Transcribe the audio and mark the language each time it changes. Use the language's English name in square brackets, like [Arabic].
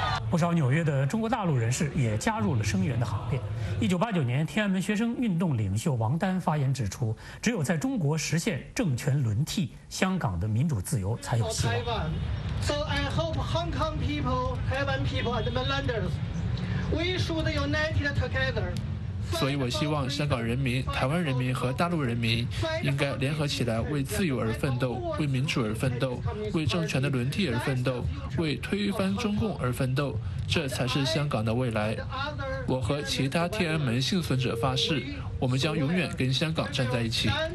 [Chinese] 不少纽约的中国大陆人士也加入了声援的行列。 1989年，天安门学生运动领袖王丹发言指出，只有在中国实现政权轮替，香港的民主自由才有希望。 [English] So I hope Hong Kong people, Taiwan people, and the mainlanders, we should unite together. [Chinese] 所以我希望香港人民、台湾人民和大陆人民应该联合起来，为自由而奋斗，为民主而奋斗，为政权的轮替而奋斗，为推翻中共而奋斗，这才是香港的未来。我和其他天安门幸存者发誓，我们将永远跟香港站在一起。